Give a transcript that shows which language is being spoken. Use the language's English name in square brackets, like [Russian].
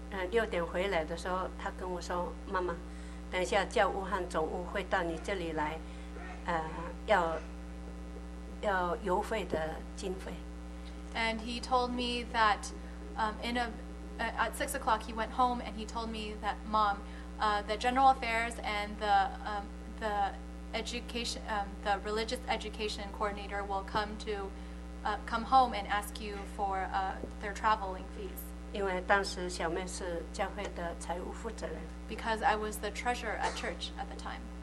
[Chinese] 六点回来的时候，他跟我说：“妈妈，等一下教务和总务会到你这里来，要邮费的经费。” [English] And he told me that, at 6 o'clock he went home and he told me that, Mom, the general affairs and the education, the religious education coordinator will come to, come home and ask you for, their traveling fees. [Chinese] 因为当时小妹是教会的财务负责人。 [English] Because I was the treasurer at church at the time.